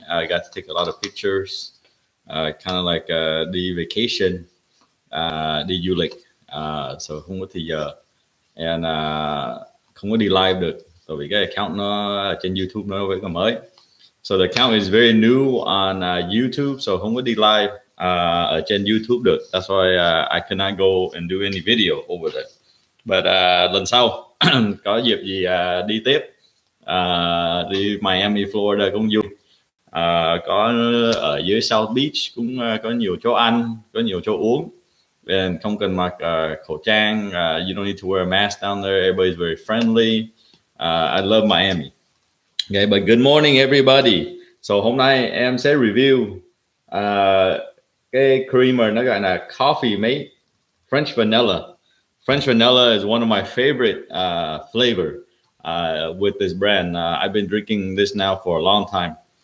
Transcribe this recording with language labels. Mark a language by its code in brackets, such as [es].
[en] I got to take a lot of pictures, kind of like đi vacation, [vi] đi du lịch. [en] So [vi] không có thời giờ. And không có đi live được. Tại vì cái account nó trên YouTube nó vẫn còn mới. [en] So the account is very new on YouTube, so [vi] không có đi live ở trên YouTube được. [en] That's why I cannot go and do any video over there. [vi] But lần sau có dịp gì đi tiếp, đi Miami, Florida cũng vui. Có ở dưới South Beach cũng có nhiều chỗ ăn, có nhiều chỗ uống. [en] And [vi] không cần mặc khẩu trang, [en] you don't need to wear a mask down there. Everybody's very friendly. I love Miami. Okay, but good morning everybody. [vi] So hôm nay em sẽ review cái creamer nó gọi là coffee mate French vanilla. [en] French vanilla is one of my favorite flavor with this brand. I've been drinking this now for a long time.